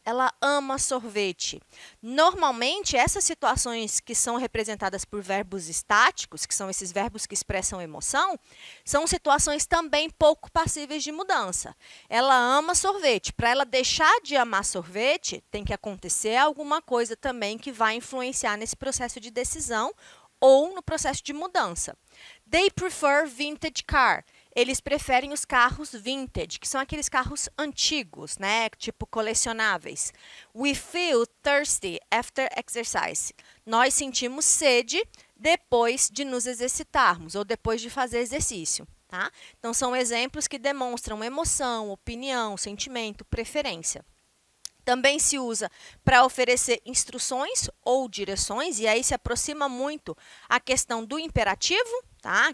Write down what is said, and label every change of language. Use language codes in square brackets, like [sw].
[pt] Ela ama sorvete. Normalmente, essas situações que são representadas por verbos estáticos, que são esses verbos que expressam emoção, são situações também pouco passíveis de mudança. Ela ama sorvete. Para ela deixar de amar sorvete, tem que acontecer alguma coisa também que vai influenciar nesse processo de decisão ou no processo de mudança. [en] They prefer vintage car. [pt] Eles preferem os carros vintage, que são aqueles carros antigos, né? Tipo colecionáveis. [en] We feel thirsty after exercise. [pt] Nós sentimos sede depois de nos exercitarmos ou depois de fazer exercício, tá? Então são exemplos que demonstram emoção, opinião, sentimento, preferência. Também se usa para oferecer instruções ou direções, e aí se aproxima muito a questão do imperativo. Tá?